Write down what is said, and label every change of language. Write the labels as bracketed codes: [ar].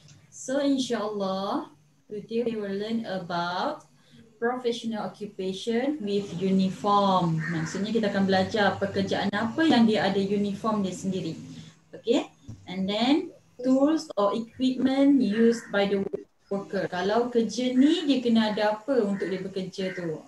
[en] So insyaAllah, today we will learn about professional occupation with uniform. [ms] Maksudnya kita akan belajar pekerjaan apa yang dia ada uniform dia sendiri. [en] Okay, and then tools or equipment used by the worker. [ms] Kalau kerja ni, dia kena ada apa untuk dia bekerja tu.